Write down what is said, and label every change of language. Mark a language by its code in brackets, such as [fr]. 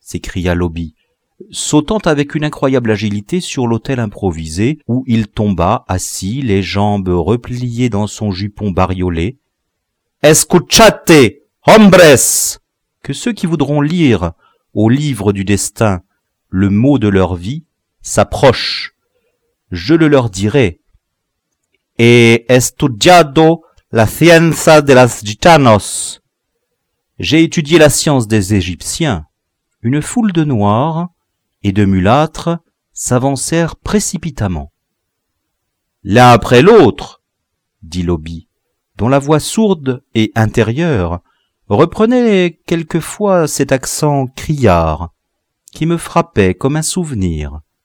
[fr] s'écria l'hobby, sautant avec une incroyable agilité sur l'autel improvisé où il tomba assis, les jambes repliées dans son jupon bariolé. [es] « Escuchate, hombres !» [fr] Que ceux qui voudront lire au livre du destin le mot de leur vie s'approchent. Je le leur dirai. [es] « Et estudiado la ciencia de las gitanos. » [fr] J'ai étudié la science des Égyptiens. Une foule de noirs et de mulâtres s'avancèrent précipitamment. L'un après l'autre, dit l'hobby, dont la voix sourde et intérieure reprenait quelquefois cet accent criard qui me frappait comme un souvenir.